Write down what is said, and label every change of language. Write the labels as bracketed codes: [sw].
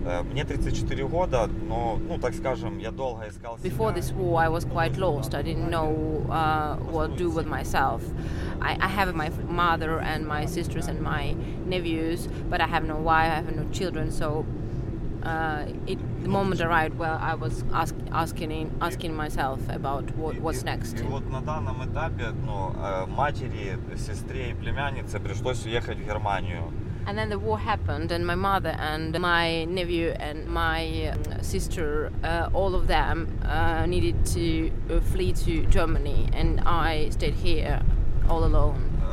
[ru] Мне 34 года, но, ну, так скажем, я долго искал себя. [en] Before this war, I was quite lost. I didn't know what do with myself. I have my mother and my sisters and my nephews, but I have no wife, I have no children. So, the moment arrived, well, I was asking myself about what's next. [ru] И вот на данном этапе, ну, матери, сестре и племяннице пришлось уехать в Германию. [en] And then the war happened, and my mother and my nephew and my sister, all of them needed to flee to Germany, and I stayed here all alone.